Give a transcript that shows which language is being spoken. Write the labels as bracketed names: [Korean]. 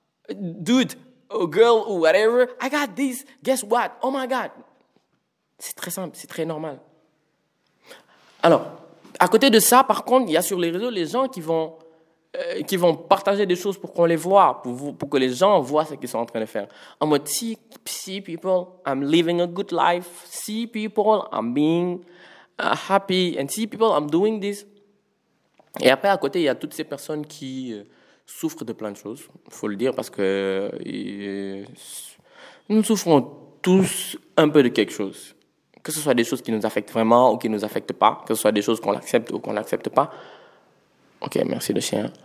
[English] Dude, oh girl, or whatever, I got this, guess what, oh my god. [French] C'est très simple, c'est très normal. Alors, à côté de ça, par contre, il y a sur les réseaux les gens qui vont partager des choses pour qu'on les voit, pour que les gens voient ce qu'ils sont en train de faire. En mode, [English] see people, I'm living a good life, see people, I'm being happy, and see people, I'm doing this. [French] Et après, à côté, il y a toutes ces personnes qui... souffrent de plein de choses, il faut le dire, parce que nous souffrons tous un peu de quelque chose. Que ce soit des choses qui nous affectent vraiment ou qui ne nous affectent pas, que ce soit des choses qu'on accepte ou qu'on n'accepte pas. Ok, merci le chien.